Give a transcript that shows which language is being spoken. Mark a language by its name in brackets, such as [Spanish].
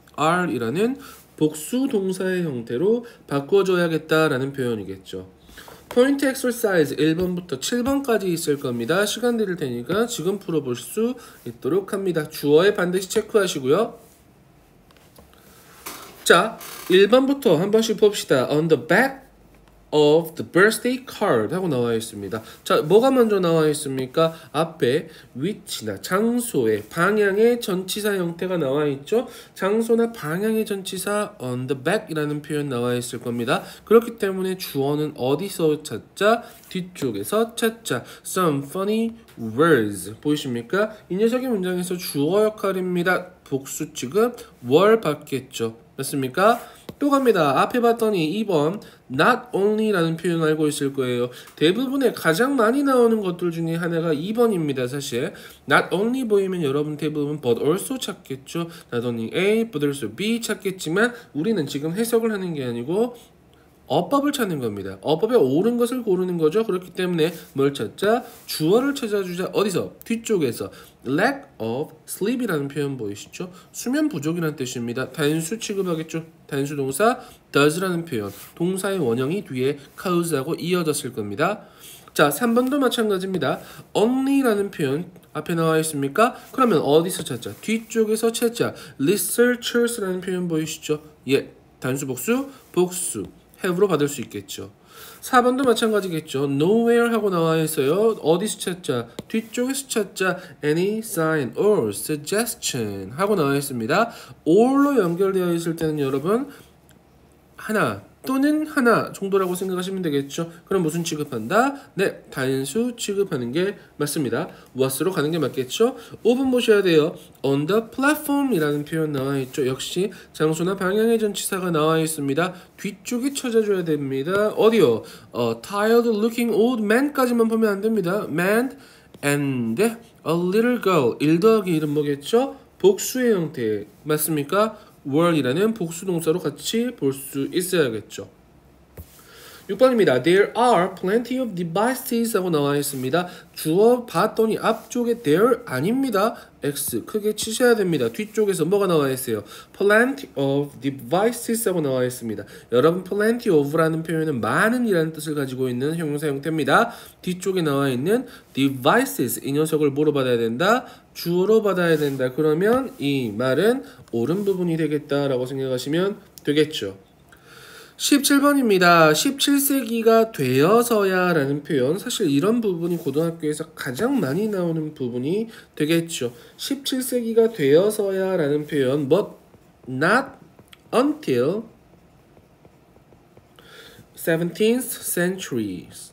[Korean] are이라는 복수 동사의 형태로 바꿔줘야겠다라는 표현이겠죠. 포인트 엑서사이즈 1번부터 7번까지 있을 겁니다. 시간 드릴 테니까 지금 풀어볼 수 있도록 합니다. 주어에 반드시 체크하시고요. 자, 1번부터 한 번씩 봅시다. [English] On the back of the birthday card [Korean] 하고 나와 있습니다. 자, 뭐가 먼저 나와 있습니까? 앞에 위치나 장소의 방향의 전치사 형태가 나와 있죠. 장소나 방향의 전치사 [English] on the back [Korean] 이라는 표현 나와 있을 겁니다. 그렇기 때문에 주어는 어디서 찾자? 뒤쪽에서 찾자. [English] Some funny words [Korean] 보이십니까? 이 녀석이 문장에서 주어 역할입니다. 복수 취급 were 받겠죠. 맞습니까? 또 갑니다. 앞에 봤더니 2번 not only 라는 표현 알고 있을 거예요. 대부분의 가장 많이 나오는 것들 중에 하나가 2번입니다. 사실 not only 보이면 여러분 대부분 but also 찾겠죠. [English] not only A but also B [Korean] 찾겠지만 우리는 지금 해석을 하는 게 아니고 어법을 찾는 겁니다. 어법에 옳은 것을 고르는 거죠. 그렇기 때문에 뭘 찾자? 주어를 찾아주자. 어디서? 뒤쪽에서. [English] lack of sleep [Korean] 이라는 표현 보이시죠? 수면 부족이라는 뜻입니다. 단수 취급하겠죠. 단수 동사 does 라는 표현. 동사의 원형이 뒤에 cause 하고 이어졌을 겁니다. 자, 3번도 마찬가지입니다. only 라는 표현 앞에 나와 있습니까? 그러면 어디서 찾자? 뒤쪽에서 찾자. researchers 라는 표현 보이시죠? 예, 단수 복수 복수 have로 받을 수 있겠죠. 4번도 마찬가지겠죠. nowhere 하고 나와 있어요. 어디서 찾자? 뒤쪽에서 찾자. [English] any sign or suggestion [Korean] 하고 나와 있습니다. or로 연결되어 있을 때는 여러분 하나 또는 하나 정도라고 생각하시면 되겠죠. 그럼 무슨 취급한다? 네, 단수 취급하는 게 맞습니다. was로 가는 게 맞겠죠. 5번 보셔야 돼요. [English] on the platform [Korean] 이라는 표현 나와 있죠. 역시 장소나 방향의 전치사가 나와 있습니다. 뒤쪽에 찾아줘야 됩니다. 어디요? [English] tired looking old man [Korean] 까지만 보면 안 됩니다. [English] man and a little girl [Korean] 1 더하기 1은 뭐겠죠? 복수의 형태 맞습니까? world이라는 복수동사로 같이 볼 수 있어야겠죠. 6번입니다. [English] There are plenty of devices [Korean] 하고 나와 있습니다. 주어 봤더니 앞쪽에 there 아닙니다. X 크게 치셔야 됩니다. 뒤쪽에서 뭐가 나와 있어요? [English] Plenty of devices [Korean] 하고 나와 있습니다. 여러분 plenty of라는 표현은 많은 이라는 뜻을 가지고 있는 형용사 형태입니다. 뒤쪽에 나와 있는 devices 이 녀석을 뭐로 받아야 된다? 주어로 받아야 된다. 그러면 이 말은 옳은 부분이 되겠다라고 생각하시면 되겠죠. 17번입니다. 17세기가 되어서야 라는 표현. 사실 이런 부분이 고등학교에서 가장 많이 나오는 부분이 되겠죠. 17세기가 되어서야 라는 표현. [English] But not until 17th century.